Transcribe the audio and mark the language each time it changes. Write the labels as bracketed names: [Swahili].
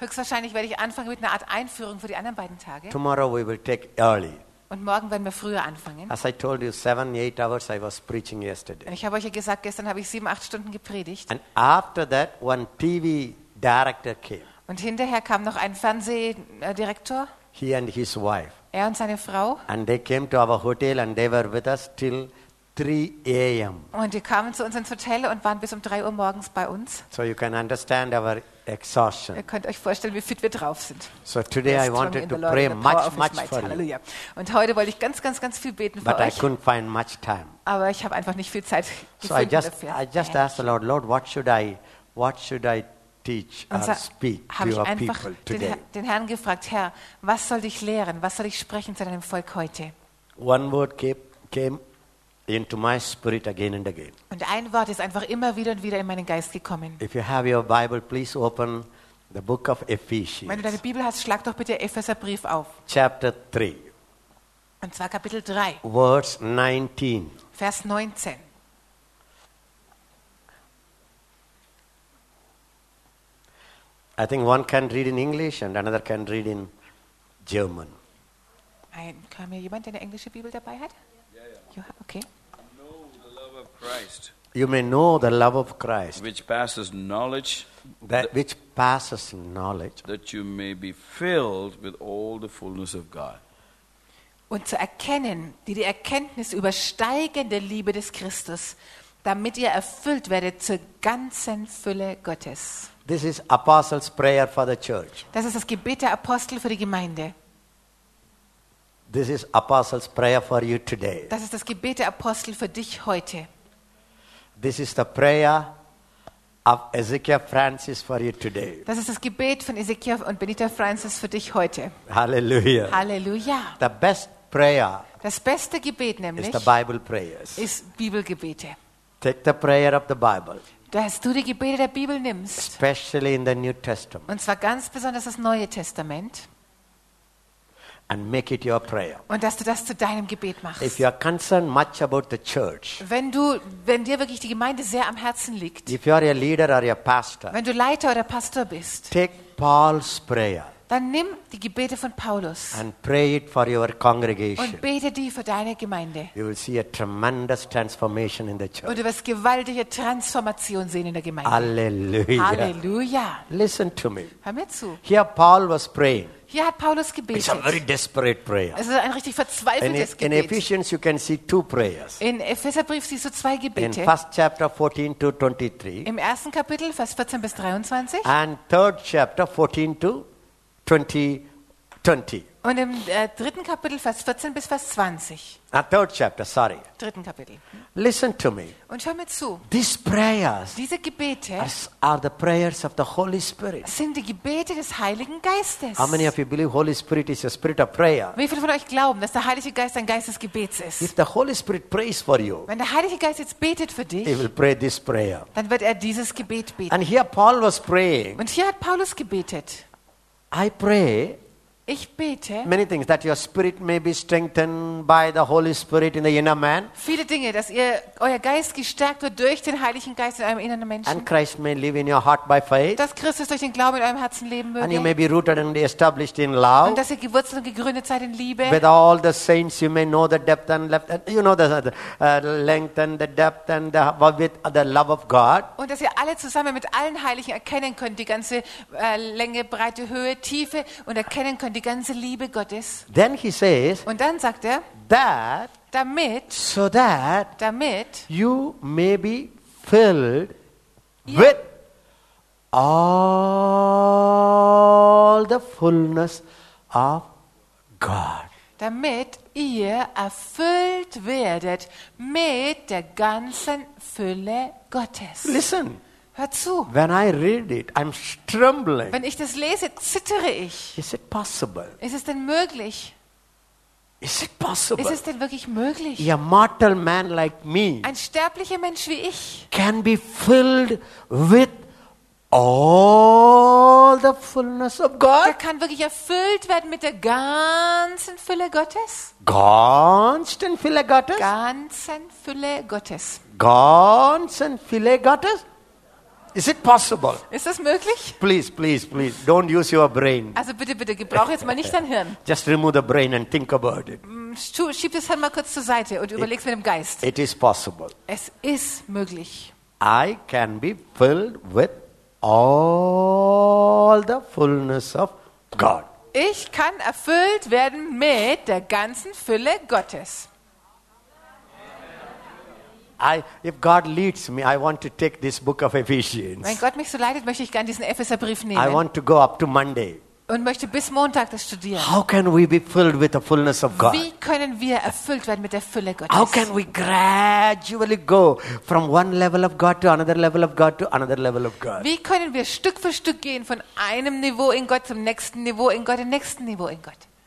[German] Höchstwahrscheinlich werde ich anfangen mit einer Art Einführung für die anderen beiden Tage. [English] Tomorrow we will take early. [German] Und morgen werden wir früher anfangen. [English] As I told you, 7-8 hours I was preaching yesterday. [German] Ich habe euch ja gesagt, gestern habe ich 7-8 Stunden gepredigt. [English] And after that, one TV director came. [German] Und hinterher kam noch ein Fernsehdirektor. [English] He and his wife. [German] Er und seine Frau. [English] And they came to our hotel and they were with us till 3 a.m. [German] Und die kamen zu uns ins Hotel und waren bis um 3 Uhr morgens bei uns. [English] So you can understand our exhaustion. [German] Ihr könnt euch vorstellen, wie fit wir drauf sind. [English] So today I wanted to pray much for you. [German] Halleluja. Und heute wollte ich ganz viel beten [English] But [German] für [English] I [German] euch. [English] Couldn't find much time. [German] Aber ich habe einfach nicht viel Zeit [English] so [German] gefunden. [English] I just asked the Lord, what should I teach or speak to your people today. [German] Habe ich einfach den Herrn gefragt, Herr, was soll ich lehren, was soll ich sprechen zu deinem Volk heute? [English] One word came into my spirit again and again. [German] Und ein Wort ist einfach immer wieder und wieder in meinen Geist gekommen. [English] If you have your Bible, please open the book of Ephesians. [German] Wenn du deine Bibel hast, schlag doch bitte Epheserbrief auf. [English] Chapter 3. [German] Und zwar Kapitel 3. [English] Verse 19. [German] Vers 19. [English] I think one can read in English and another can read in German. [German] Kann mir jemand eine englische Bibel dabei hat? [English] Yeah. Okay. Know the love of Christ. You may know the love of Christ. Which passes knowledge. That you may be filled with all the fullness of God. [German] Und zu erkennen, die Erkenntnis übersteigende Liebe des Christus, damit ihr erfüllt werdet zur ganzen Fülle Gottes. [English] This is apostles' prayer for the church. [German] Das ist das Gebet der Apostel für die Gemeinde. [English] This is apostles' prayer for you today. [German] Das ist das Gebet der Apostel für dich heute. [English] This is the prayer of Ezekiel Francis for you today. [German] Das ist das Gebet von Ezekiel und Benita Francis für dich heute. [English] Hallelujah. [German] Hallelujah. [English] The best prayer. [German] Das beste Gebet nämlich. [English] Is the Bible prayers. [German] Ist Bibelgebete. [English] Take the prayer of the Bible. [German] Dass du die Gebete der Bibel nimmst. [English] Especially in the New Testament. [German] Und zwar ganz besonders das Neue Testament. [English] And make it your prayer. [German] Und dass du das zu deinem Gebet machst. [English] If you are concerned much about the church. [German] Wenn dir wirklich die Gemeinde sehr am Herzen liegt. [English] If you are a leader or a pastor. [German] Wenn du Leiter oder Pastor bist. [English] Take Paul's prayer. [German] Dann nimm die Gebete von Paulus. [English] And pray it for your congregation. [German] Und bete die für deine Gemeinde. [English] You will see a tremendous transformation in the church. [German] Und du wirst gewaltige Transformation sehen in der Gemeinde. [English] Halleluja. [German] Halleluja. [English] Listen to me. [German] Hör mir zu. [English] Here Paul was praying. [German] Hier hat Paulus gebetet. [English] It's a very desperate prayer. [German] Es ist ein richtig verzweifeltes Gebet. [English] In Ephesians you can see 2 prayers. [German] In Epheserbrief siehst du 2 Gebete. [English] In 1. Kapitel 14 to 23. [German] Im ersten Kapitel Vers 14 bis 23. [English] And 3. Kapitel 14 to 20. [German] Und im dritten Kapitel Vers 14 bis Vers 20. Dritten Kapitel. [English] Listen to me. [German] Und hör mir zu. [English] These prayers. [German] Diese Gebete. [English] Are the prayers of the Holy Spirit. [German] Sind die Gebete des Heiligen Geistes. [English] How many of you believe Holy Spirit is a spirit of prayer? [German] Wie viele von euch glauben, dass der Heilige Geist ein Geist des Gebets ist? [English] If the Holy Spirit prays for you. [German] Wenn der Heilige Geist jetzt betet für dich. [English] He will pray this prayer. [German] Dann wird er dieses Gebet beten. [English] And here Paul was praying. [German] Und hier hat Paulus gebetet. [English] I pray [German] Ich bete. [English] Many things that your spirit may be strengthened by the Holy Spirit in the inner man. [German] Viele Dinge, dass ihr euer Geist gestärkt wird durch den Heiligen Geist in eurem inneren Menschen. [English] And Christ may live in your heart by faith. [German] Dass Christus durch den Glauben in eurem Herzen leben möge. [English] And you may be rooted and established in love. [German] Und dass ihr gewurzelt und gegründet seid in Liebe. [English] With all the saints you may know the depth and length, you know the length and the depth and the width of the love of God. [German] Und dass ihr alle zusammen mit allen Heiligen erkennen könnt die ganze Länge, Breite, Höhe, Tiefe und erkennen könnt die ganze Liebe Gottes. [English] Then he says, [German] und dann sagt er, [English] that, [German] damit, [English] so that, [German] damit, [English] you may be filled with all the fullness of God. [German] Damit ihr erfüllt werdet mit der ganzen Fülle Gottes. [English] Listen. [German] Hör zu. [English] When I read it, I'm trembling. [German] Wenn ich das lese, zittere ich. [English] Is it possible? [German] Ist es denn möglich? [English] Is it possible? [German] Ist es denn wirklich möglich? [English] A mortal man like me. [German] Ein sterblicher Mensch wie ich. [English] Can be filled with all the fullness of God. [German] Der kann wirklich erfüllt werden mit der ganzen Fülle Gottes. Ganzen Fülle Gottes. Ganzen Fülle Gottes. Ganzen Fülle Gottes. [English] Is it possible? [German] Ist das möglich? [English] Please, please, please, don't use your brain. [German] Also bitte, bitte, gebrauch jetzt mal nicht dein Hirn. [English] Just remove the brain and think about it. [German] Schieb das Hirn mal kurz zur Seite und überleg's mit dem Geist. [English] It is possible. [German] Es ist möglich. [English] I can be filled with all the fullness of God. [German] Ich kann erfüllt werden mit der ganzen Fülle Gottes. [English] If God leads me, I want to take this book of Ephesians. [German] Wenn Gott mich so leitet, möchte ich gerne diesen Epheserbrief nehmen. [English] I want to go up to Monday. [German] Und möchte bis Montag das studieren. [English] How can we be filled with the fullness of God? [German] Wie können wir erfüllt werden mit der Fülle Gottes? [English] How can we gradually go from one level of God to another level of God to another level of God? [German] Wie können wir Stück für Stück gehen von einem Niveau in Gott zum nächsten Niveau in Gott, zum nächsten Niveau in Gott?